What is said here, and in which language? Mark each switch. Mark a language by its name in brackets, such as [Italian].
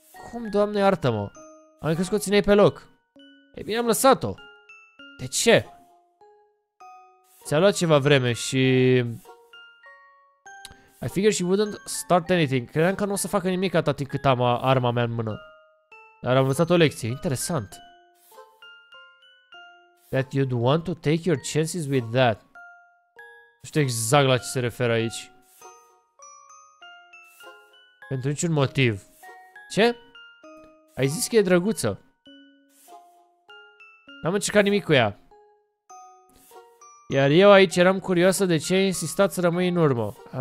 [Romanian] Cum, doamne, iartă-mă? Am crezut că o țineai pe loc. E bine, am lăsat-o. De ce? Ți-a luat ceva vreme și... [English] I figured she wouldn't start anything. [Romanian] Credeam că nu o să facă nimic atât timp cât am arma mea în mână. Dar am învățat o lecție. Interesant. [English] That you'd want to take your chances with that. [Romanian] Nu știu exact la ce se referă aici. Pentru niciun motiv. Ce? Ai zis că e drăguță. N-am încercat nimic cu ea. Iar eu aici eram curioasă de ce ai insistat să rămâi în urmă.